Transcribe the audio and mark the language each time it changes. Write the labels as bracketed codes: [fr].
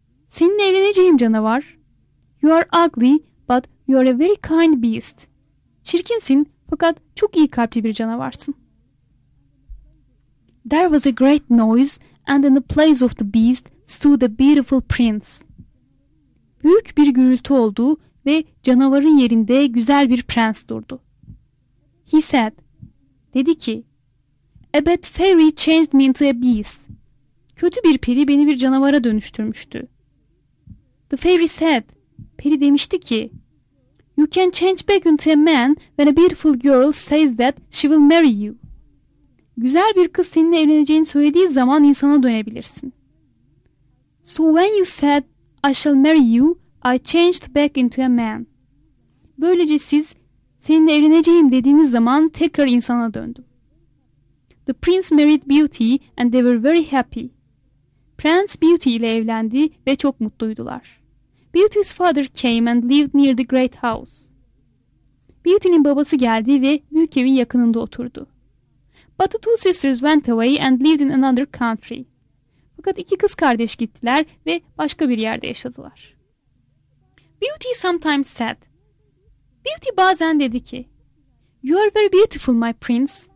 [tr] Seninle evleneceğim, canavar. [en] You are ugly, but you are a very kind beast. [tr] Çirkinsin, fakat çok iyi kalpli bir canavarsın. [en] There was a great noise, and in the place of the beast stood a beautiful prince. [tr] Büyük bir gürültü oldu ve canavarın yerinde güzel bir prens durdu. [en] He said, [tr] dedi ki, [en] A bad fairy changed me into a beast. [tr] Kötü bir peri beni bir canavara dönüştürmüştü. [en] The fairy said, [tr] peri demişti ki, [en] You can change back into a man when a beautiful girl says that she will marry you. [tr] Güzel bir kız seninle evleneceğini söylediği zaman insana dönebilirsin. [en] So when you said I shall marry you, I changed back into a man. [tr] Böylece siz seninle evleneceğim dediğiniz zaman tekrar insana döndüm. [en] The prince married Beauty and they were very happy. [tr] Prince Beauty ile evlendi ve çok mutluydular. [en] Beauty's father came and lived near the great house. [tr] Beauty'nin babası geldi ve büyük evin yakınında oturdu. [en] But the two sisters went away and lived in another country. [tr] Fakat iki kız kardeş gittiler ve başka bir yerde yaşadılar. [en] Beauty sometimes said. [tr] Beauty bazen dedi ki, [en] You are very beautiful, my prince.